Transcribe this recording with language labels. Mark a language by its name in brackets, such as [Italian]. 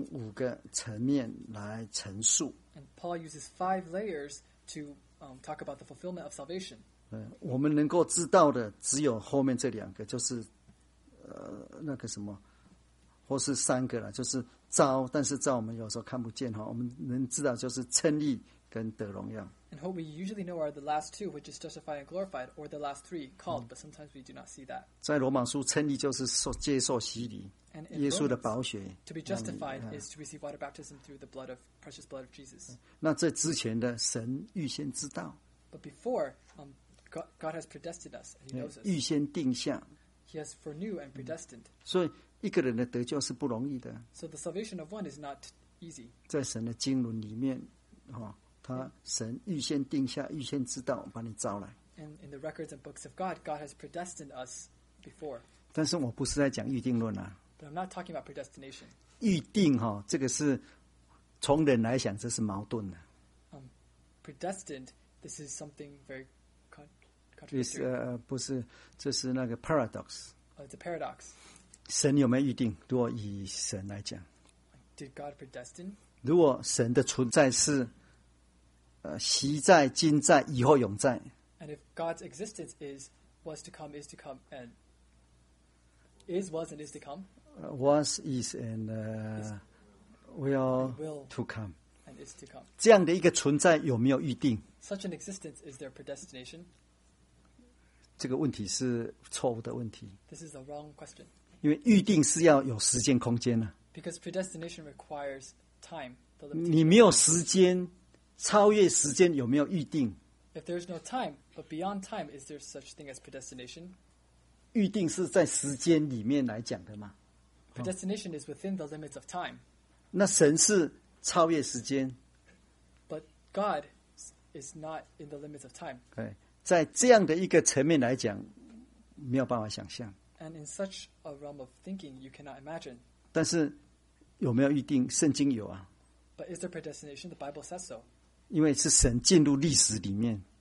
[Chinese] 这是保罗把这个救恩用五个层面来陈述。 [English] And Paul uses five layers to talk about the fulfillment of salvation. [Chinese] 我们能够知道的只有后面这两个, 就是那个什么或是三个啦, 就是招, 但是招我们有时候看不见, 我们能知道就是称义跟得荣耀。 [English] And what we usually know are the last two, which is justified and glorified, or the last three, called, but sometimes we do not see that. [Chinese] 在罗马书称义就是接受洗礼, [English] and in [Chinese] 耶稣的宝血, [English] Romans, to be justified is to receive water baptism through the blood of precious blood of Jesus. [Chinese] 那这之前的神预先知道, [English] but before, God has predestined us, and he knows us. [Chinese] 预先定下, [English] he has foreknew and predestined. [Chinese] 所以一个人的得救是不容易的。 [English] So the salvation of one is not easy. [Chinese] 在神的经纶里面, 他神预先定下，预先知道，把你招来。 [English] In the records and books of God, God has predestined us before. [Chinese] 但是我不是在讲预定论啊。 [English] But I'm not talking about predestination. [Chinese] 预定哈，这个是从人来想，这是矛盾的。 [English] Predestined, this is something very contradictory. [Chinese] 不是，这是那个 paradox. [English] Oh, it's a paradox. [Chinese] 神有没有预定？如果以神来讲 [English] ，Did God predestine? [Chinese] 如果神的存在是昔在、今在、以后永在。 [English] And if God's existence was to come, and is to come. Was, is, and will, will to come. And is to come. [Chinese] 这样的一个存在有没有预定 [English] ？Such an existence is there predestination? [Chinese] 这个问题是错误的问题。 [English] This is a wrong question. [Chinese] 因为预定是要有时间空间呢。 [English] Because predestination requires time. [Chinese] 你没有时间，超越时间有没有预定？ [English] If there is no time, but beyond time, is there such thing as predestination? [Chinese] 预定是在时间里面来讲的吗 [English] ？Predestination is within the limits of time. [Chinese] 那神是超越时间。 [English] But God is not in the limits of time. [Chinese] 对，在这样的一个层面来讲，没有办法想象。 [English] And in such a realm of thinking, you cannot imagine. [Chinese] 但是有没有预定？圣经有啊。 [English] But is there predestination? The Bible says so. [Chinese] 因为是神进入历史里面